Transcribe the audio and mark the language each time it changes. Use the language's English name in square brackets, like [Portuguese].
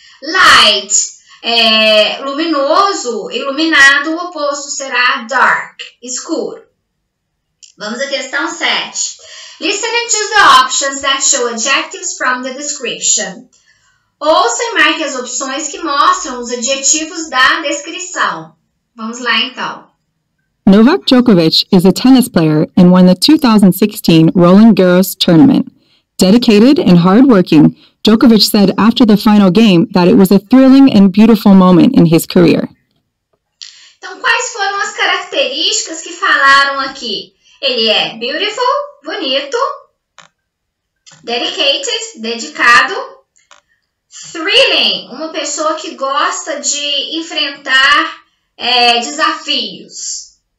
[Portuguese] Light, luminoso, iluminado, o oposto será dark, escuro. Vamos à questão 7. [English] Listen and choose the options that show adjectives from the description. [Portuguese] Ouça e marque as opções que mostram os adjetivos da descrição. Vamos lá então. [English] Novak Djokovic is a tennis player and won the 2016 Roland Garros tournament. Dedicated and hardworking, Djokovic said after the final game that it was a thrilling and beautiful moment in his career. [Portuguese] Então, quais foram as características que falaram aqui? Ele é beautiful, bonito, dedicated, dedicado, thrilling, uma pessoa que gosta de enfrentar desafios.